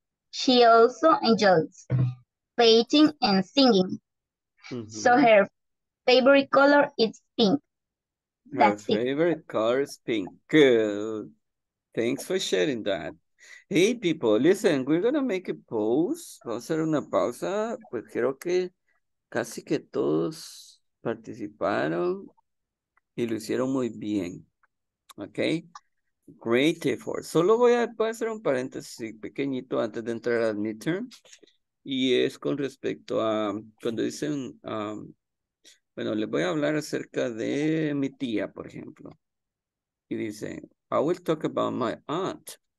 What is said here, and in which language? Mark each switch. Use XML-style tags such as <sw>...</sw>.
<en>She also enjoys painting and singing. Mm-hmm. So her favorite color is pink. That's her favorite color is pink. Good. Thanks for sharing that. Hey, people, listen, we're going to make a pause.</en> <es>Vamos a hacer una pausa. Pues creo que casi que todos participaron y lo hicieron muy bien.</es> <en>Okay, great effort.</en> <es>Solo voy a hacer un paréntesis pequeñito antes de entrar al midterm. Y es con respecto a cuando dicen, bueno, les voy a hablar acerca de mi tía, por ejemplo. Y dice,</es> <en>I will talk about my aunt.</en>